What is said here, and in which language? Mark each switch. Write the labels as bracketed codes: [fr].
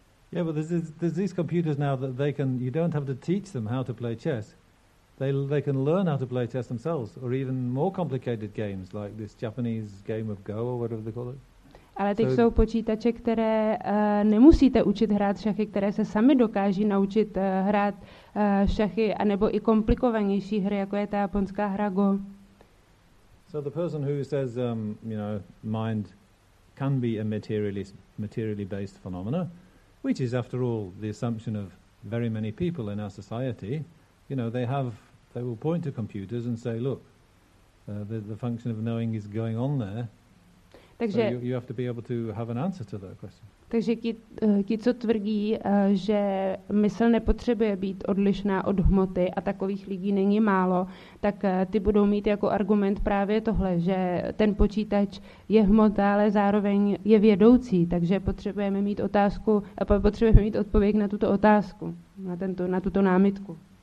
[en] Yeah, well, there's these computers now that they can. You don't have to teach them how to play chess. They can learn how to play chess themselves, or even more complicated games like this Japanese game of Go or whatever they call it. [cs] Ale teď jsou počítače, které nemusíte učit hrát šachy, které se sami dokáží naučit hrát šachy, a nebo i komplikovanější hry, jako je ta japonská hra Go. [en] So the person who says, you know, mind can be a materially based phenomena, which is, after all, the assumption of very many people in our society. You know, they will point to computers and say, look, the function of knowing is going on there. [cs] Takže, [en] so you have to be able to have an answer to that question. [cs] Takže ti, co tvrdí, že mysl nepotřebuje být odlišná od hmoty, a takových lidí není málo, tak ty budou mít jako argument právě tohle, že ten počítač je hmota, ale zároveň je vědoucí, takže potřebujeme mít otázku, potřebujeme mít odpověď na tuto otázku, na tuto námitku.